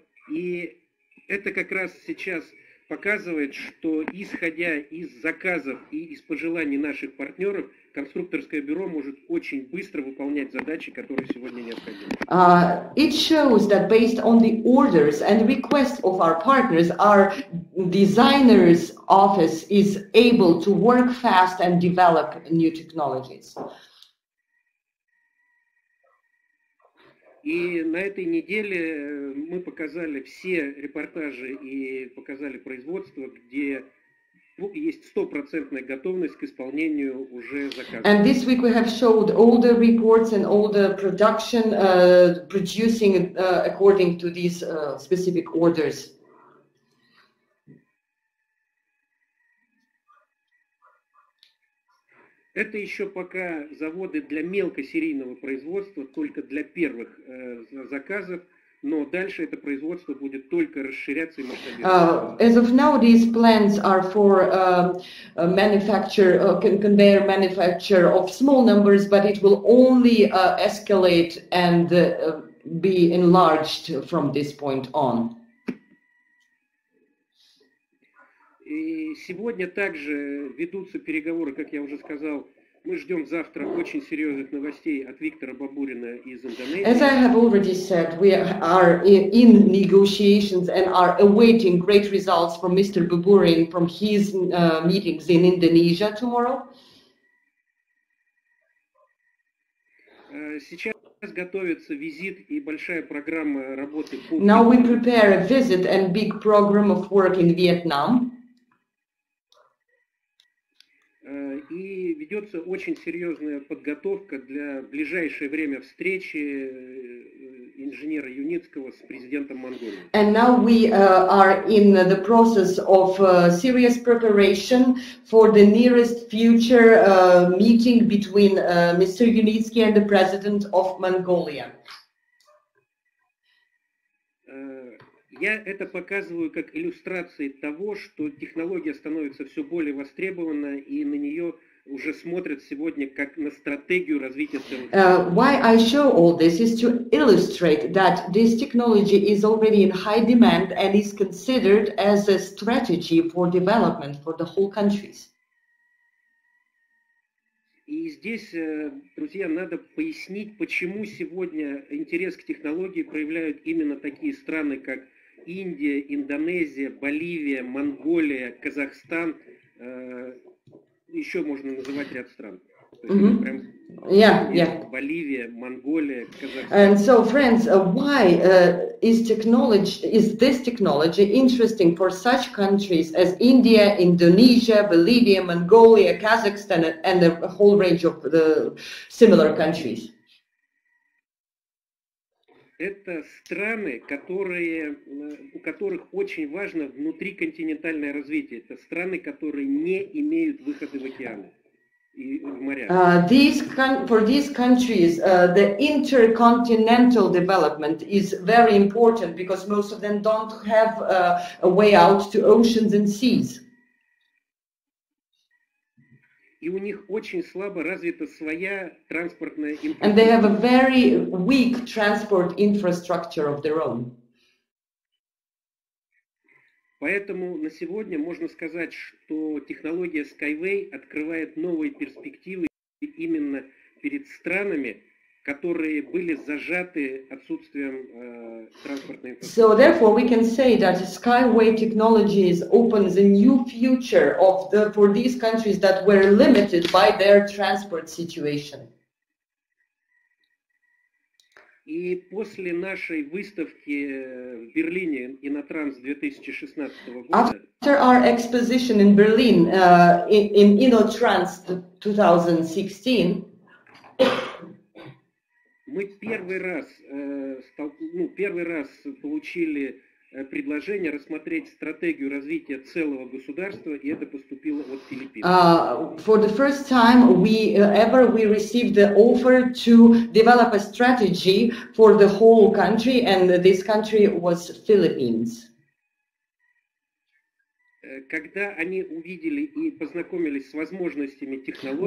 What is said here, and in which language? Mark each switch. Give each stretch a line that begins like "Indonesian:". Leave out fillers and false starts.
Russian: И это как раз сейчас показывает, что исходя из заказов и из пожеланий наших партнеров, конструкторское бюро может очень быстро выполнять задачи, которые сегодня необходимы.
English: It shows that based on the orders and requests of our partners, our designer's office is able to work fast and develop new technologies.
Russian: И на этой неделе мы показали все репортажи и показали производство, где есть 100% готовность к исполнению уже заказа.
English: And this week we have showed all the reports and all the production producing according to these specific orders.
Russian: Это еще пока заводы для мелкосерийного производства, только для первых заказов, но дальше это производство будет только расширяться и масштабироваться.
English: As of now, these plans are for manufacture, conveyor manufacture of small numbers, but it will only escalate and be enlarged from this point on.
Russian: И сегодня также ведутся переговоры, как я уже сказал. Мы ждем завтра очень серьезных новостей от Виктора Бабурина из Индонезии.
English: As I have already said, we are in negotiations and are awaiting great results from Mr. Baburin from his meetings in Indonesia tomorrow.
Russian: Сейчас готовится визит и большая программа работы.
English: Now we prepare a visit and big program of work in Vietnam.
Russian: И ведется очень серьезная подготовка для ближайшее время встречи инженера Юницкого с президентом Монголии.
English: And now we are in the process of serious preparation for the nearest future meeting between Mr. Юницкий and the president of Mongolia.
Russian: Я это показываю как иллюстрации того, что технология становится все более востребована, и на нее уже смотрят сегодня как на стратегию развития страны.
English: Why I show all this is to illustrate that this technology is already in high demand and is considered as a strategy for development for the whole countries.
Russian: И здесь, друзья, надо пояснить, почему сегодня интерес к технологии проявляют именно такие страны, как Индия, Индонезия, Боливия, Монголия, Казахстан, еще можно называть ряд стран. То есть прям Боливия, Монголия, Казахстан.
English: And so, friends, why is this technology interesting for such countries as India, Indonesia, Bolivia, Mongolia, Kazakhstan and a whole range of the similar countries?
Russian: Это страны, которые, у которых очень важно внутриконтинентальное развитие. Это страны, которые не имеют выхода в океаны и в моря.
English: For these countries, the intercontinental development is very important, because most of them don't have a way out to oceans and seas.
Russian: и у них очень слабо развита своя транспортная инфраструктура.
English: And they have a very weak transport infrastructure of their own.
Russian: Поэтому на сегодня можно сказать, что технология Skyway открывает новые перспективы именно перед странами, которые были зажаты отсутствием транспортной инфраструктуры.
English: So therefore we can say that Skyway technologies opens a new future of the for these countries that were limited by their transport situation.
Russian: И после нашей выставки в Берлине Инотранс 2016 года.
English: After our exposition in Berlin in Inotrans 2016,
Russian: мы первый раз получили предложение рассмотреть стратегию развития целого государства, и это поступило от Филиппин.
English: For the first time we received the offer to develop a strategy for the whole country, and this country was Philippines.
Russian: Когда они увидели и познакомились с возможностями технологий,